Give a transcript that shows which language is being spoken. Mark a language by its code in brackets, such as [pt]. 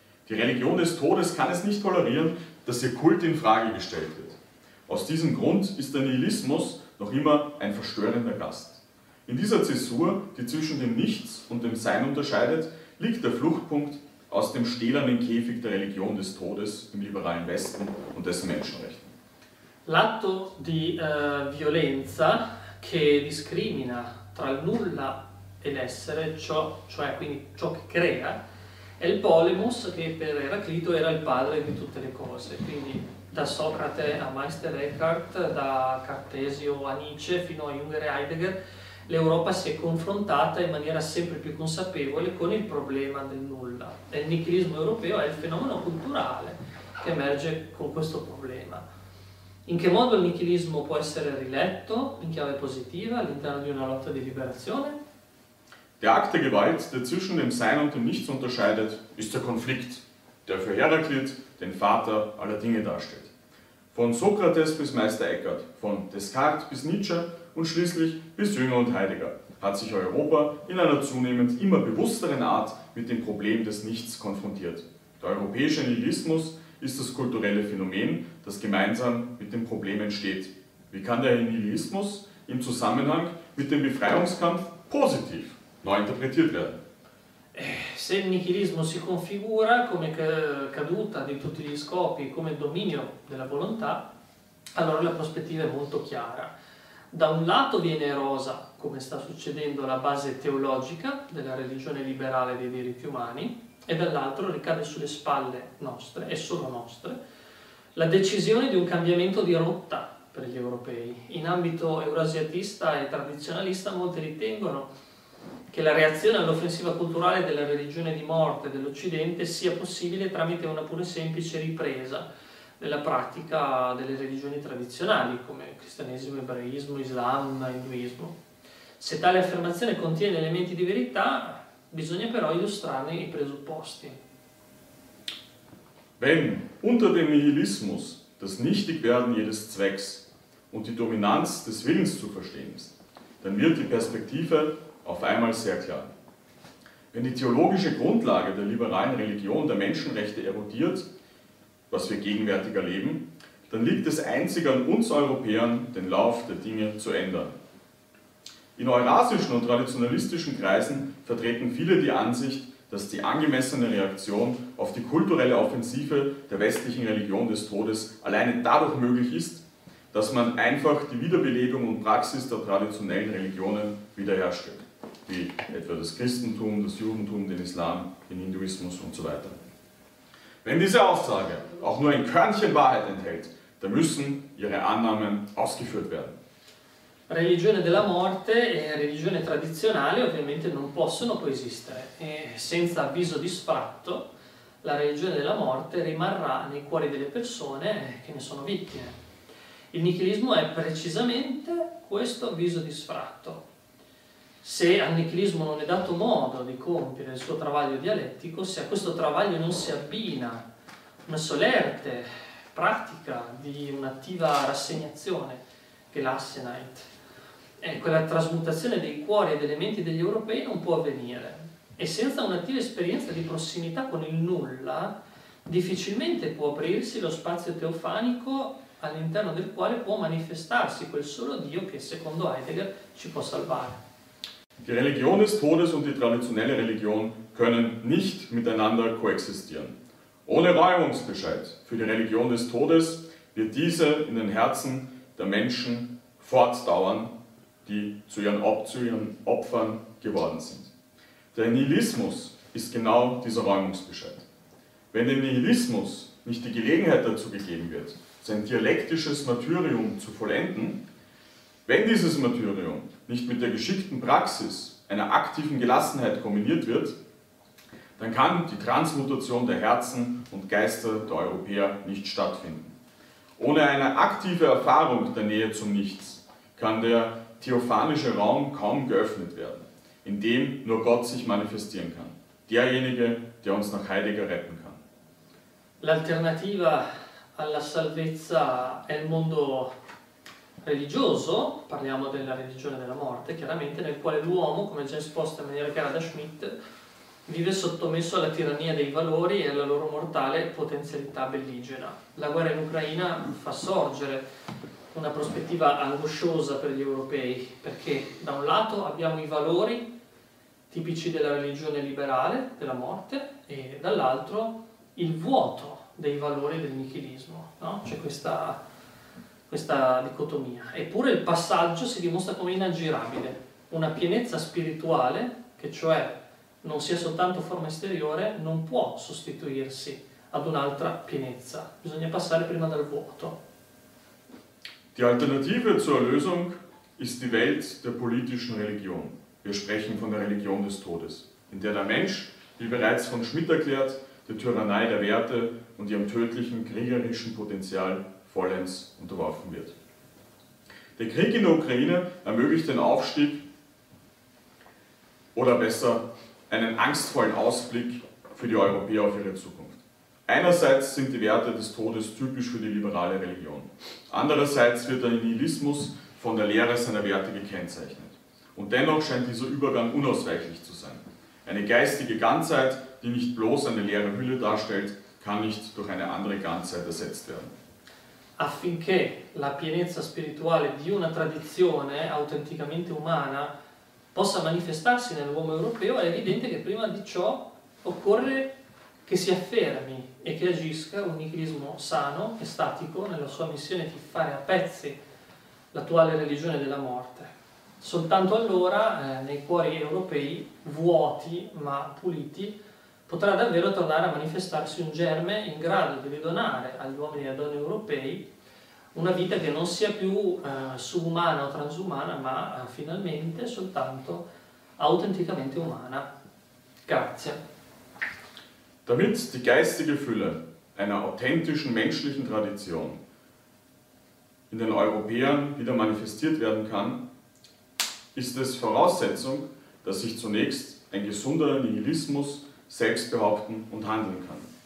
[de] Die Religion des Todes kann es nicht tolerieren, dass ihr Kult in Frage gestellt wird. Aus diesem Grund ist der Nihilismus noch immer ein verstörender Gast. In dieser Zäsur, die zwischen dem Nichts und dem Sein unterscheidet, liegt der Fluchtpunkt aus dem stählernen Käfig der Religion des Todes im liberalen Westen und dessen Menschenrechten. [it] L'atto di violenza che discrimina tra nulla e l'essere, cioè quindi ciò che crea, è il polemos che per Eraclito era il padre di tutte le cose, quindi da Socrate a Meister Eckhart, da Cartesio a Nietzsche fino a Jünger e Heidegger, l'Europa si è confrontata in maniera sempre più consapevole con il problema del nulla. E il nichilismo europeo è il fenomeno culturale che emerge con questo problema. In che modo il nichilismo può essere riletto in chiave positiva all'interno di una lotta di liberazione? [de] Der Akt der Gewalt, der zwischen dem Sein und dem Nichts unterscheidet, ist der Konflikt, der für Heraklit den Vater aller Dinge darstellt. Von Sokrates bis Meister Eckhart, von Descartes bis Nietzsche und schließlich bis Jünger und Heidegger hat sich Europa in einer zunehmend immer bewussteren Art mit dem Problem des Nichts konfrontiert. Der europäische Nihilismus ist das kulturelle Phänomen, das gemeinsam mit dem Problem entsteht. Wie kann der Nihilismus im Zusammenhang mit dem Befreiungskampf positiv interpretiert werden? [it] Se il nichilismo si configura come caduta di tutti gli scopi, come dominio della volontà, allora la prospettiva è molto chiara. Da un lato viene erosa, come sta succedendo, la base teologica della religione liberale dei diritti umani e dall'altro ricade sulle spalle nostre, e solo nostre, la decisione di un cambiamento di rotta per gli europei. In ambito euroasiatista e tradizionalista molti ritengono che la reazione all'offensiva culturale della religione di morte dell'Occidente sia possibile tramite una pure semplice ripresa della pratica delle religioni tradizionali come cristianesimo, ebraismo, islam, induismo. Se tale affermazione contiene elementi di verità, bisogna però illustrarne i presupposti. [de] Wenn unter dem Nihilismus das Nichtigwerden jedes Zwecks und die Dominanz des Willens zu verstehen ist, dann wird die Perspektive auf einmal sehr klar. Wenn die theologische Grundlage der liberalen Religion der Menschenrechte erodiert, was wir gegenwärtig erleben, dann liegt es einzig an uns Europäern, den Lauf der Dinge zu ändern. In eurasischen und traditionalistischen Kreisen vertreten viele die Ansicht, dass die angemessene Reaktion auf die kulturelle Offensive der westlichen Religion des Todes alleine dadurch möglich ist, dass man einfach die Wiederbelebung und Praxis der traditionellen Religionen wiederherstellt, wie etwa das Christentum, das Judentum, den Islam, den Hinduismus und so weiter. Wenn diese Aussage auch nur ein Körnchen Wahrheit enthält, dann müssen ihre Annahmen ausgeführt werden. [it] Religione della morte e religione tradizionale ovviamente non possono coesistere e senza avviso di sfratto la religione della morte rimarrà nei cuori delle persone che ne sono vittime. Il nichilismo è precisamente questo avviso di sfratto. Se al nichilismo non è dato modo di compiere il suo travaglio dialettico, se a questo travaglio non si abbina una solerte pratica di un'attiva rassegnazione che l'Assenheit, quella trasmutazione dei cuori e delle menti degli europei non può avvenire. E senza un'attiva esperienza di prossimità con il nulla, difficilmente può aprirsi lo spazio teofanico all'interno del quale può manifestarsi quel solo Dio che, secondo Heidegger, ci può salvare. [de] Die Religion des Todes und die traditionelle Religion können nicht miteinander koexistieren. Ohne Räumungsbescheid für die Religion des Todes wird diese in den Herzen der Menschen fortdauern, die zu ihren Opfern geworden sind. Der Nihilismus ist genau dieser Räumungsbescheid. Wenn dem Nihilismus nicht die Gelegenheit dazu gegeben wird, sein dialektisches Martyrium zu vollenden, wenn dieses Martyrium nicht mit der geschickten Praxis einer aktiven Gelassenheit kombiniert wird, dann kann die Transmutation der Herzen und Geister der Europäer nicht stattfinden. Ohne eine aktive Erfahrung der Nähe zum Nichts kann der theophanische Raum kaum geöffnet werden, in dem nur Gott sich manifestieren kann, derjenige, der uns nach Heidegger retten kann. [it] L'alternativa alla salvezza è il mondo religioso, parliamo della religione della morte, chiaramente, nel quale l'uomo, come già esposto in maniera chiara da Schmitt, vive sottomesso alla tirannia dei valori e alla loro mortale potenzialità belligena. La guerra in Ucraina fa sorgere una prospettiva angosciosa per gli europei, perché da un lato abbiamo i valori tipici della religione liberale, della morte, e dall'altro il vuoto dei valori del nichilismo, no? C'è questa dicotomia. Eppure il passaggio si dimostra come inaggirabile. Una pienezza spirituale, che cioè non sia soltanto forma esteriore, non può sostituirsi ad un'altra pienezza. Bisogna passare prima dal vuoto. [de] Die Alternative zur Erlösung ist die Welt der politischen Religion. Wir sprechen von der Religion des Todes, in der der Mensch, wie bereits von Schmitt erklärt, der Tyrannei der Werte und ihrem tödlichen kriegerischen Potenzial vollends unterworfen wird. Der Krieg in der Ukraine ermöglicht den Aufstieg oder besser einen angstvollen Ausblick für die Europäer auf ihre Zukunft. Einerseits sind die Werte des Todes typisch für die liberale Religion. Andererseits wird der Nihilismus von der Leere seiner Werte gekennzeichnet. Und dennoch scheint dieser Übergang unausweichlich zu sein. Eine geistige Ganzheit, die nicht bloß eine leere Hülle darstellt, kann nicht durch eine andere Ganzheit ersetzt werden. [it] Affinché la pienezza spirituale di una tradizione autenticamente umana possa manifestarsi nell'uomo europeo, è evidente che prima di ciò occorre che si affermi e che agisca un nichilismo sano e statico nella sua missione di fare a pezzi l'attuale religione della morte. Soltanto allora, nei cuori europei, vuoti ma puliti, potrà davvero tornare a manifestarsi un germe in grado di ridonare agli uomini e alle donne europei Una vita che non sia più subumana o transumana, ma finalmente soltanto autenticamente umana. Grazie. [de] Damit die geistige Fülle einer authentischen menschlichen Tradition in den Europäern wieder manifestiert werden kann, ist es Voraussetzung, dass sich zunächst ein gesunder Nihilismus selbst behaupten und handeln kann.